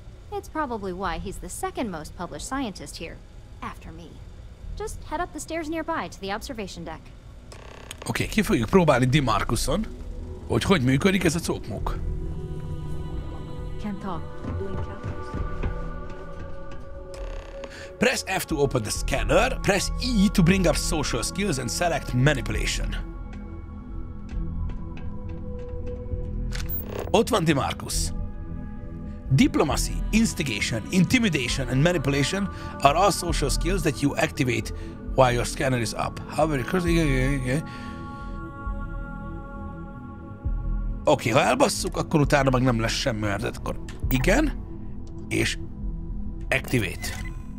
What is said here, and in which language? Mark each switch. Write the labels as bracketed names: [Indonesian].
[English] It's probably why he's the second most published scientist here, after me. Just head up the stairs nearby to the observation deck. [Hungarian] Okay, ki fogjuk próbálni DeMarcuson, hogy hogy működik ez a cokmok. [English] Can't talk. Press F to open the scanner, press E to bring up social skills and select manipulation. [Hungarian] Ott van DeMarcus. [English] Diplomacy, instigation, intimidation, and manipulation are all social skills that you activate while your scanner is up. How very crazy. [Hungarian] Okay, ha elbasszuk, akkor utána meg nem lesz semmi, mert akkor igen, és activate.